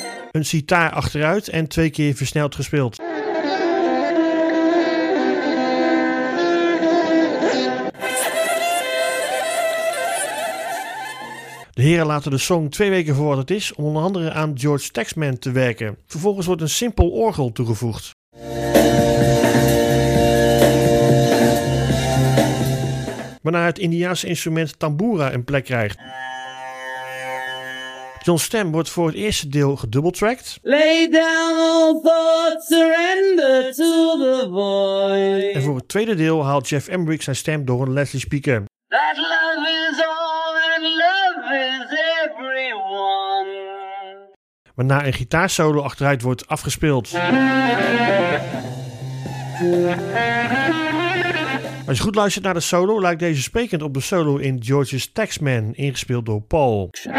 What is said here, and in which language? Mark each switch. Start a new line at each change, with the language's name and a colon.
Dutch: Een sitaar achteruit en twee keer versneld gespeeld. De heren laten de song twee weken voor wat het is om onder andere aan George Taxman te werken. Vervolgens wordt een simpel orgel toegevoegd. Waarna het Indiaanse instrument tambura een plek krijgt. John's stem wordt voor het eerste deel gedoubletracked.
English: Lay down all thoughts, surrender to the voice.
Dutch: En voor het tweede deel haalt Jeff Emmerich zijn stem door een Leslie speaker.
English: That love is all and love is everyone.
Dutch: Waarna een gitaarsolo achteruit wordt afgespeeld. Als je goed luistert naar de solo, lijkt deze sprekend op de solo in George's Taxman, ingespeeld door Paul.